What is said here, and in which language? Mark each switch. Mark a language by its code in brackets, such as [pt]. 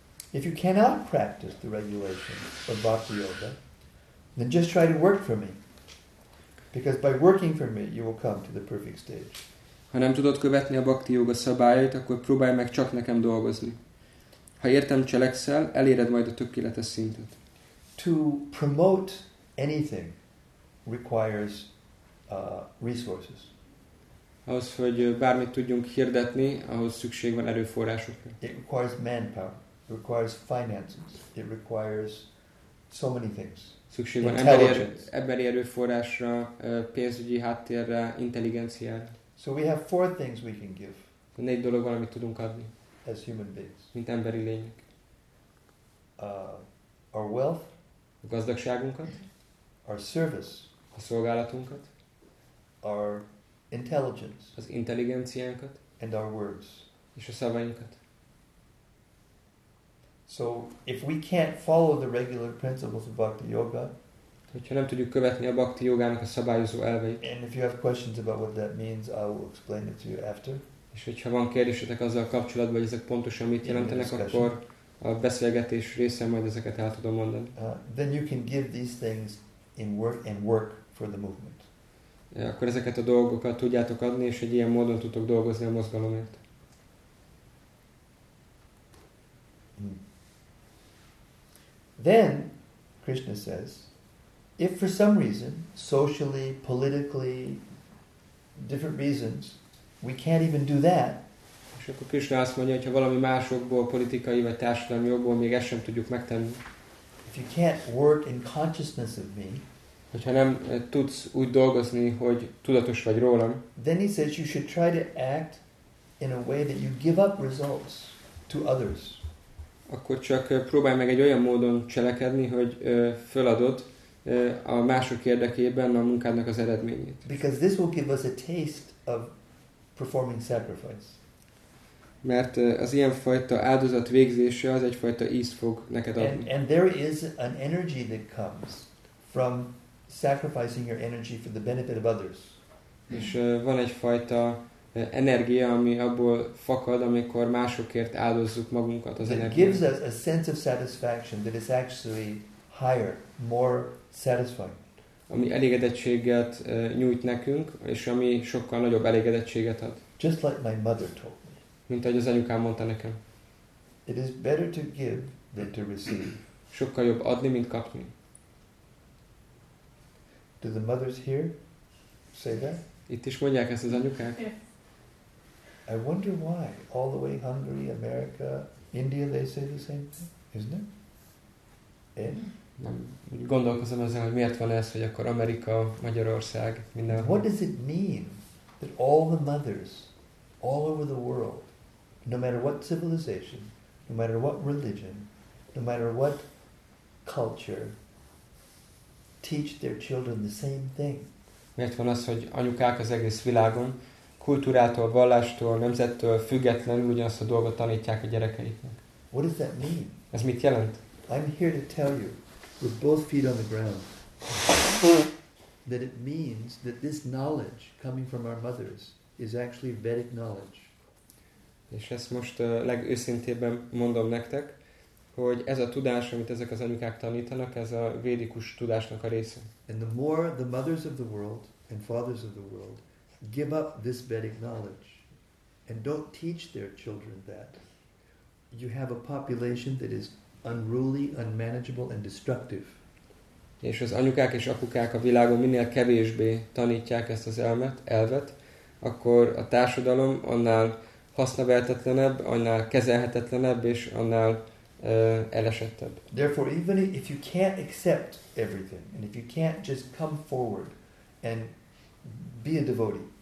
[en] if you cannot practice the regulations of Bhakti Yoga, then just try to work for me. Because by working for me, you will come to the perfect stage. [hu] Ha nem tudod követni a Bhakti Yoga szabályait, akkor próbálj meg csak nekem dolgozni. Ha értem cselekszel, eléred majd a tökéletes szintet. [en] To promote anything requires resources. [hu] Ahhoz, hogy bármit tudjunk hirdetni, ahhoz szükség van erőforrásokra. [en] It requires manpower. It requires finances. It requires so many things. [hu] Szükség van emberi erőforrásra, pénzügyi háttérre, intelligenciára. [en] So we have four things we can give. [hu] Négy dolog van, amit tudunk adni. [en] As human beings. [hu] Mint emberi lények. [en] Our wealth. [hu] A gazdagságunkat. [en] Our service. [hu] A szolgálatunkat. [en] Our intelligence. [hu] Az intelligenciánkat. [en] And our words. [hu] És a szavainkat. [en] So if we can't follow the regular principles of Bhakti Yoga, [hu] hogyha nem tudjuk követni a Bhakti Yogának a szabályozó elveit, [en] and if you have questions about what that means, I will explain it to you after. [hu] És hogyha van kérdésetek azzal kapcsolatban, hogy ezek pontosan mit jelentenek, akkor a beszélgetés részén majd ezeket el tudom mondani. [en] Then you can give these things in work and work for the movement. [hu] Ja, akkor ezeket a dolgokat tudjátok adni, és egy ilyen módon tudtok dolgozni a mozgalomért. [en] Then, Krishna says, if for some reason, socially, politically, different reasons, we can't even do that. [hu] És akkor Krishna azt mondja, hogy ha valami másokból, politikai vagy társadalmi jogból még ezt sem tudjuk megtenni. [en] If you can't work in consciousness of me, [hu] hogyha nem tudsz úgy dolgozni, hogy tudatos vagy rólam, [en] then he says you should try to act in a way that you give up results to others. [hu] Akkor csak próbálj meg egy olyan módon cselekedni, hogy feladod a mások érdekében a munkádnak az eredményét. [en] Because this will give us a taste of performing sacrifice. [hu] Mert az ilyen fajta áldozat végzése az egyfajta ízt fog neked adni. [en] And there is an energy that comes from sacrificing your energy for the benefit of others. [hu] És van egyfajta energia, ami abból fakad, amikor másokért áldozzuk magunkat az energiát. [en] It gives us a sense of satisfaction that is actually higher, more satisfying. [hu] Ami elégedettséget nyújt nekünk, és ami sokkal nagyobb elégedettséget ad. [en] Just like my mother told me. [hu] Mint ahogy az anyukám mondta nekem. [en] It is better to give than to receive. [hu] Sokkal jobb adni, mint kapni. [en] Do the mothers here say that? [hu] Itt is mondják ezt az anyukák? [en] Yeah. I wonder why all the way Hungary, America, India they say the same thing, isn't it? [hu] Nem. Gondolkozom ezen, hogy miért van ez, hogy akkor Amerika, Magyarország, mindenhol. [en] What does it mean that all the mothers, all over the world, no matter what civilization, no matter what religion, no matter what culture, teach their children the same thing? [hu] Miért van az, hogy anyukák az egész világon, kultúrától, vallástól, nemzettől függetlenül ugyanazt a dolgot tanítják a gyerekeiknek? [en] What does that mean? [hu] Ez mit jelent? [en] I'm here to tell you, with both feet on the ground, that it means that this knowledge coming from our mothers is actually Vedic knowledge. [hu] És ezt most legőszintébben mondom nektek, hogy ez a tudás, amit ezek az anyukák tanítanak, ez a védikus tudásnak a része. [en] And the more the mothers of the world and fathers of the world give up this Vedic knowledge and don't teach their children that, you have a population that is unruly, unmanageable and destructive. [hu] És az anyukák és apukák a világon minél kevésbé tanítják ezt az elvet, akkor a társadalom annál hasznaveltetlenebb, annál kezelhetetlenebb és annál elesettebb. [en] Therefore, even if you can't accept everything and if you can't just come forward and be a devotee.